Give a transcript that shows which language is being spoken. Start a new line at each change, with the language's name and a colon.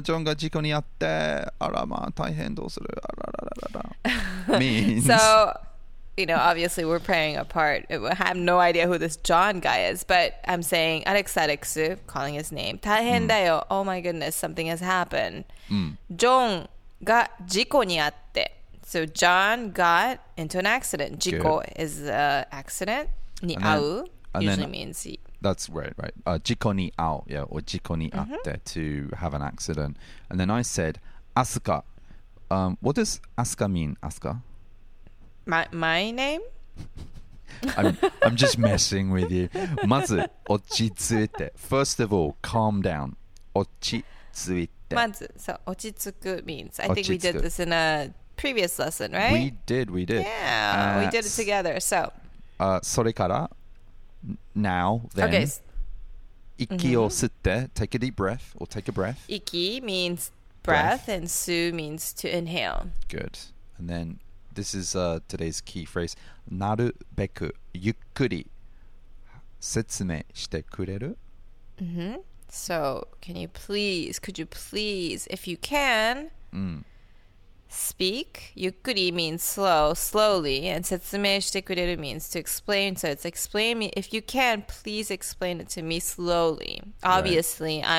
Japanese: ジョンが事故にあって、あらまあ大変どうする。あらららら。ら
English: means. So, you know, obviously we're playing a part. I have no idea who this John guy is, but I'm saying アレックス、アレックス、calling his name.
Japanese: 大変だよ。
English: Mm. Oh my goodness, something has happened. Mm.
Japanese: ジョンが事故にあって。
English: So John got into an accident. 事故 is an accident. に遭う usually then, means. That's right, right.
Japanese: 事故に遭う,
English: yeah, or
Japanese: 事故に遭って,
English: mm-hmm. to have an accident. And then I said, Asuka. What does Asuka mean, Asuka? My name? I'm just messing with you.
Japanese: まず、落ち着いて.
English: First of all, calm down.
Japanese: 落ち着いて.
English: まず, so 落ち着く means, I think we did this in a previous lesson, right? We did. Yeah, we did it together, so.
Japanese: それから、
English: Now, then, okay.
Japanese: 息を吸って、
English: mm-hmm. take a deep breath, or take a breath. 息 means breath, and 吸 means to inhale. Good. And then, this is today's key phrase.
Japanese: なるべくゆっくり説明してくれる? Mm-hmm.
English: So, can you please, could you please, if you can, speak? ゆっくり means slow, slowly, and 説明してくれる means to explain. So it's explain me. If you can, please explain it to me slowly. Obviously, right.